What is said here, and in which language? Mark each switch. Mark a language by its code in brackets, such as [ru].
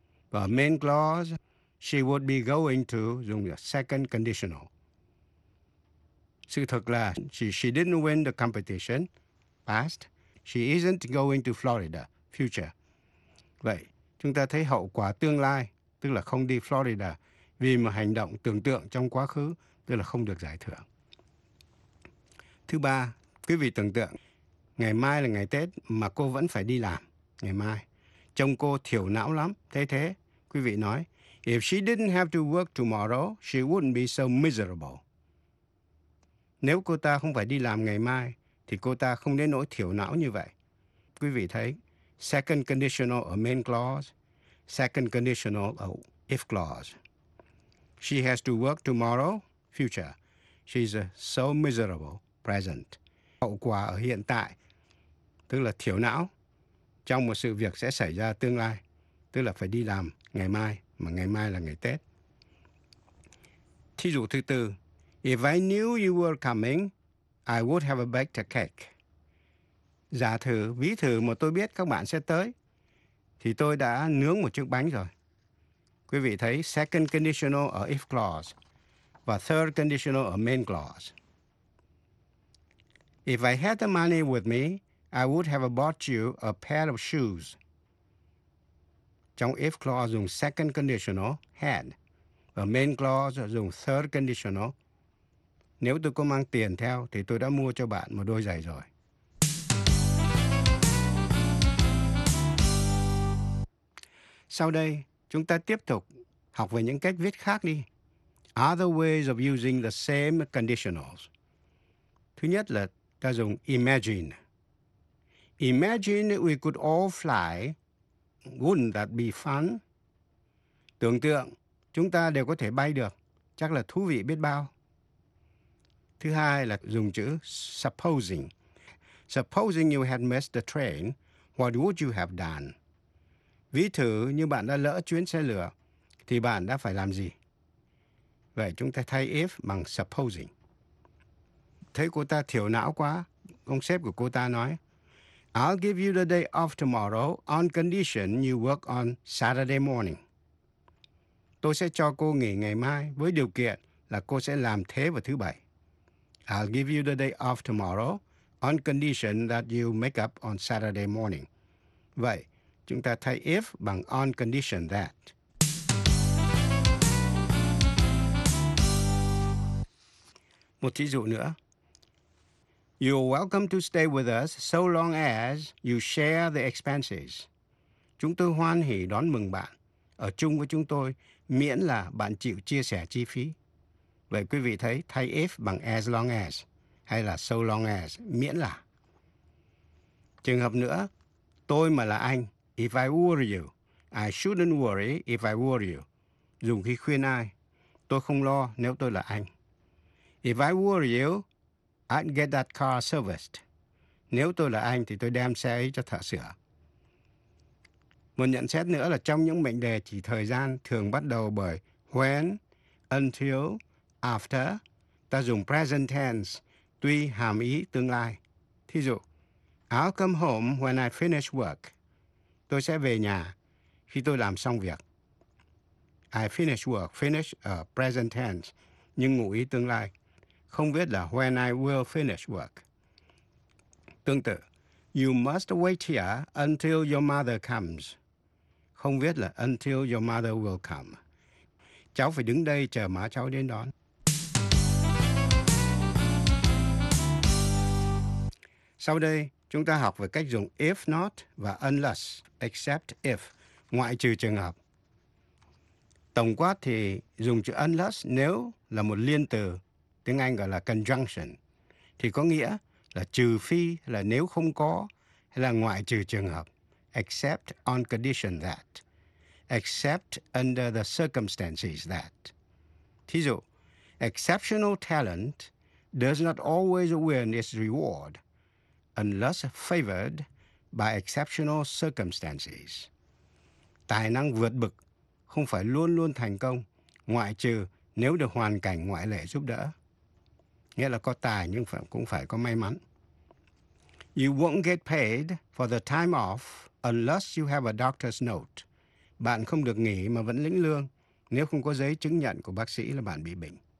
[en] Và main clause, she would be going to, [vi] dùng là [en] second conditional. [vi] Sự thực là, [en] she didn't win the competition, past. She isn't going to Florida, future. [vi] Vậy, chúng ta thấy hậu quả tương lai, tức là không đi Florida, vì một hành động tưởng tượng trong quá khứ, tức là không được giải thưởng. Thứ ba, quý vị tưởng tượng, ngày mai là ngày Tết mà cô vẫn phải đi làm, ngày mai. Chồng cô thiểu não lắm, thế thế. Quý vị nói, [en] if she didn't have to work tomorrow, she wouldn't be so miserable. [vi] Nếu cô ta không phải đi làm ngày mai, thì cô ta không đến nỗi thiểu não như vậy. Quý vị thấy, [en] second conditional or main clause, second conditional or if clause. She has to work tomorrow, future. She's so miserable, present. [vi] Hậu quả ở hiện tại, tức là thiểu não, trong một sự việc sẽ xảy ra tương lai, tức là phải đi làm ngày mai, mà ngày mai là ngày Tết. Thí dụ thứ tư, [en] if I knew you were coming, I would have baked a cake. [vi] Giả thử, ví thử mà tôi biết các bạn sẽ tới, thì tôi đã nướng một chiếc bánh rồi. Quý vị thấy second conditional ở if clause và third conditional ở main clause. [en] If I had the money with me, I would have bought you a pair of shoes. [vi] Trong if clause dùng second conditional, had. Và main clause dùng third conditional. Nếu tôi có mang tiền theo, thì tôi đã mua cho bạn một đôi giày rồi. Sau đây, chúng ta tiếp tục học về những cách viết khác đi. [en] Other ways of using the same conditionals. [vi] Thứ nhất là ta dùng imagine. [en] Imagine we could all fly. Wouldn't that be fun? [vi] Tưởng tượng, chúng ta đều có thể bay được. Chắc là thú vị biết bao. Thứ hai là dùng chữ supposing. [en] Supposing you had missed the train, what would you have done? [vi] Ví thử như bạn đã lỡ chuyến xe lửa, thì bạn đã phải làm gì? Vậy chúng ta thay if bằng supposing. Thấy cô ta thiểu não quá, ông sếp của cô ta nói, [en] I'll give you the day off tomorrow on condition you work on Saturday morning. [vi] Tôi sẽ cho cô nghỉ ngày mai với điều kiện là cô sẽ làm thế vào thứ bảy. [en] I'll give you the day off tomorrow on condition that you make up on Saturday morning. [vi] Vậy, chúng ta thay if bằng on condition that. Một thí dụ nữa. [en] You're welcome to stay with us so long as you share the expenses. [vi] Chúng tôi hoan hỷ đón mừng bạn ở chung với chúng tôi miễn là bạn chịu chia sẻ chi phí. Vậy quý vị thấy thay if bằng as long as hay là so long as miễn là. Trường hợp nữa, tôi mà là anh, [en] if I were you, I shouldn't worry if I were you. [vi] Dùng khi khuyên ai, tôi không lo nếu tôi là anh. [en] If I were you, I'd get that car serviced. [vi] Nếu tôi là anh thì tôi đem xe ấy cho thợ sửa. Một nhận xét nữa là trong những mệnh đề chỉ thời gian thường bắt đầu bởi when, until, after, ta dùng present tense, tuy hàm ý tương lai. Thí dụ, [en] I'll come home when I finish work. [vi] Tôi sẽ về nhà khi tôi làm xong việc. [en] I finish work, [vi] finish ở present tense, nhưng ngụ ý tương lai. Không viết là [en] when I will finish work. [vi] Tương tự, [en] you must wait here until your mother comes. [vi] Không viết là [en] until your mother will come. [vi] Cháu phải đứng đây chờ má cháu đến đón. Sau đây, chúng ta học về cách dùng if not và unless, except if, ngoại trừ trường hợp. Tổng quát thì dùng chữ unless nếu là một liên từ, tiếng Anh gọi là conjunction, thì có nghĩa là trừ phi, là nếu không có, hay là ngoại trừ trường hợp, [en] except on condition that, except under the circumstances that. [vi] Thí dụ, [en] exceptional talent does not always win its reward unless favored by exceptional circumstances. [vi] Tài năng vượt bậc không phải luôn luôn thành công, ngoại trừ nếu được hoàn cảnh ngoại lệ giúp đỡ. Nghĩa là có tài nhưng cũng phải có may mắn. [en] You won't get paid for the time off unless you have a doctor's note. [vi] Bạn không được nghỉ mà vẫn lĩnh lương nếu không có giấy chứng nhận của bác sĩ là bạn bị bệnh.